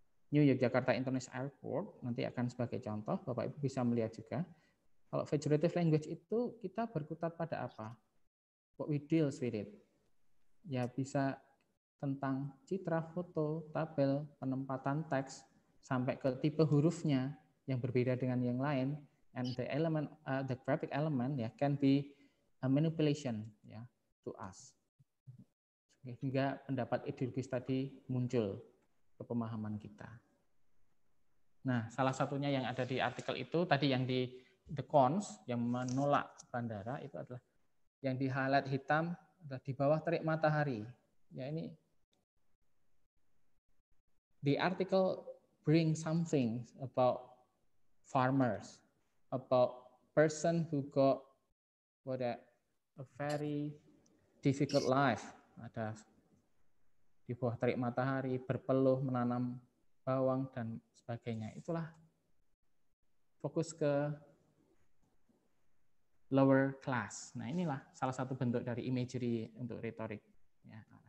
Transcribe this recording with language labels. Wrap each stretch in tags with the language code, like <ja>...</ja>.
<id>New Yogyakarta International Airport, nanti akan sebagai contoh, Bapak Ibu bisa melihat juga. Kalau figurative language itu kita berkutat pada apa?</id> <en>What we deal with it.</en> <id>Ya bisa tentang citra, foto, tabel, penempatan teks sampai ke tipe hurufnya yang berbeda dengan yang lain.</id> <en>And the element, the graphic element, ya, can be a manipulation, ya, to us.</en> <id>Sehingga pendapat ideologis tadi muncul ke pemahaman kita. Nah, salah satunya yang ada di artikel itu tadi yang di</id> <en>the cons</en> <id>yang menolak bandara itu adalah yang di highlight hitam adalah di bawah terik matahari.</id> <en>Ya, ini the article bring something about farmers. About person who got what a very difficult life.</en> <id>Ada di bawah terik matahari, berpeluh, menanam bawang, dan sebagainya. Itulah fokus ke lower class. Nah, inilah salah satu bentuk dari imagery untuk retorik. Ya.</id>